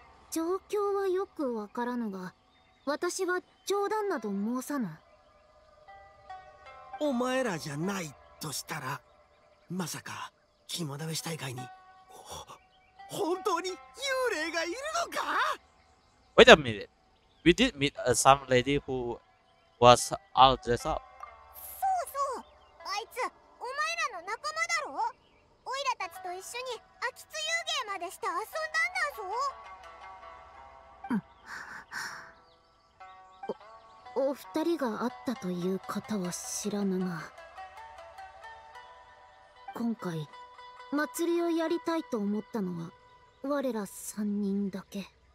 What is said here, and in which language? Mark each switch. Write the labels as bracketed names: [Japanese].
[Japanese] 状況はよくわからぬが、私は冗談など申さぬ。お前らじゃないとしたら、まさか肝試し大会に本当に幽霊がいるのか。 [English] Wait a minute. We did meet some lady who was all dressed up. [Japanese] そうそう、あいつお前らの仲間だろ。オイラたちと一緒に秋津幽霊までして遊んだんだぞ。お二人が会ったという方は知らぬが、今回祭りをやりたいと思ったのは我ら三人だけ。